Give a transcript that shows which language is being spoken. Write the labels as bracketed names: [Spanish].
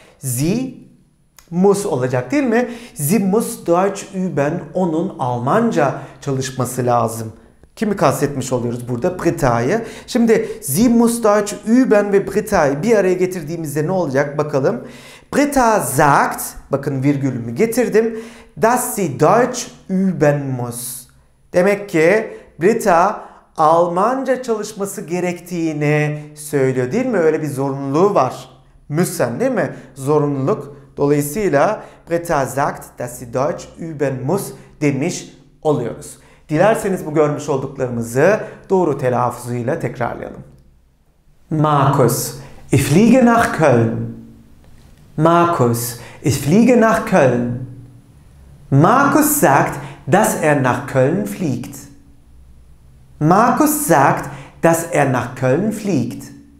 [German] Sie muss [Turkish] olacak, değil mi? [German] Sie muss Deutsch üben. [Turkish] Onun Almanca çalışması lazım. Kimi kastetmiş oluyoruz burada? Britta'yı. Şimdi [German] sie muss Deutsch üben [Turkish] ve Britta'yı bir araya getirdiğimizde ne olacak bakalım. [German] Britta sagt, [Turkish] bakın virgülümü getirdim, [German] dass sie Deutsch üben muss. [Turkish] Demek ki Britta Almanca çalışması gerektiğini söylüyor, değil mi? Öyle bir zorunluluğu var. Müssen, değil mi? Zorunluluk. [German] Dolayısıyla Britta sagt, dass sie Deutsch üben muss [Turkish] demiş oluyoruz. Dilerseniz bu görmüş olduklarımızı doğru telaffuzuyla tekrarlayalım. [German] Markus, ich fliege nach Köln. Markus, ich fliege nach Köln. Markus sagt, dass nach Köln fliegt. Markus sagt, dass nach Köln fliegt.